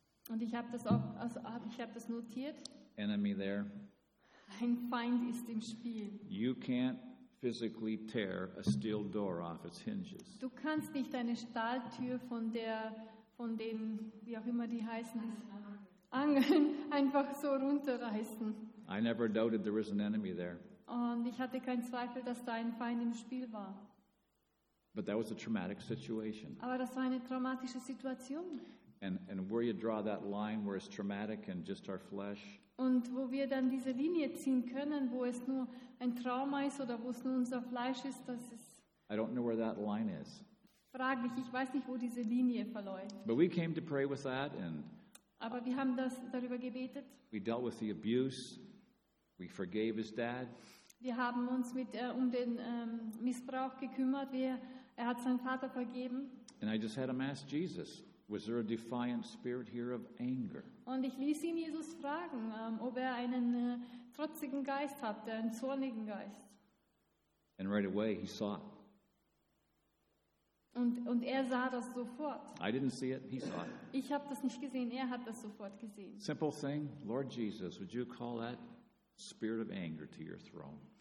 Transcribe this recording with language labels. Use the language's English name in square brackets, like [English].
[German] Und ich habe das auch, also habe das notiert. [English] Enemy there. [German] Ein Feind ist im Spiel. [English] You can't physically tear a steel door off its hinges. [German] Du kannst nicht eine Stahltür von den, wie auch immer die heißen, Angeln einfach so runterreißen. [English] I never doubted there was an enemy there. [German] Und ich hatte keinen Zweifel, dass da ein Feind im Spiel war. [English] But that was a traumatic situation. [German] Aber das war eine traumatische Situation. [English] And where you draw that line where it's traumatic and just our flesh. [German] Und wo wir dann diese Linie ziehen können, wo es nur ein Trauma ist oder wo es nur unser Fleisch ist, das ist. [English] I don't know where that line is. [German] Fraglich, ich weiß nicht, wo diese Linie verläuft. [English] But we came to pray with that and. [German] Aber wir haben das darüber gebetet. [English] We dealt with the abuse. We forgave his dad. [German] Wir haben uns mit um den Missbrauch gekümmert. Er hat seinen Vater vergeben. [English] And I just had him ask Jesus, was there a defiant spirit here of anger? [German] Und ich ließ ihn Jesus fragen, ob er einen trotzigen Geist hatte, einen zornigen Geist. [English] And right away he saw it. [German] Und er sah das sofort. [English] I didn't see it, he saw it. [German] Ich habe das nicht gesehen, er hat das sofort gesehen. [English] Simple thing, Lord Jesus, would you call that spirit of anger to your throne?